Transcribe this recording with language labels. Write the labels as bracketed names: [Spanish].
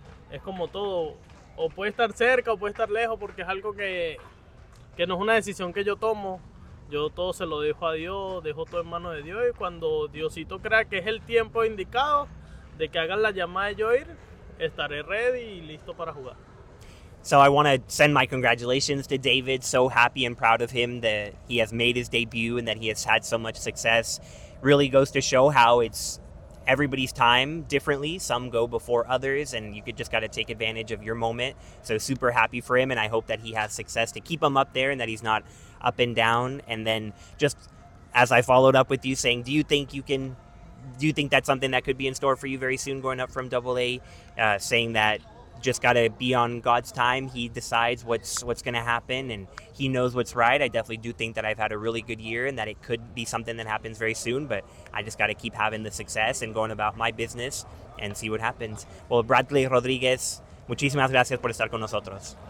[Spanish] Es como todo, o puede estar cerca o puede estar lejos, porque es algo que no es una decisión que yo tomo. Yo todo se lo dejo a Dios, dejo todo en manos de Dios, y cuando Diosito crea que es el tiempo indicado de que hagan la llamada de yo ir, estaré ready y listo para jugar. [English] So I want to send my congratulations to David. So happy and proud of him that he has made his debut and that he has had so much success. Really goes to show how it's everybody's time differently. Some go before others, and you could just got to take advantage of your moment. So super happy for him, and I hope that he has success to keep him up there and that he's not up and down. And then just as I followed up with you saying, do you think that's something that could be in store for you very soon going up from Double A, saying that just got to be on God's time. He decides what's going to happen, and he knows what's right. I definitely do think that I've had a really good year and that it could be something that happens very soon, but I just got to keep having the success and going about my business and see what happens. [Spanish] Well, Bradley Rodriguez, muchísimas gracias por estar con nosotros.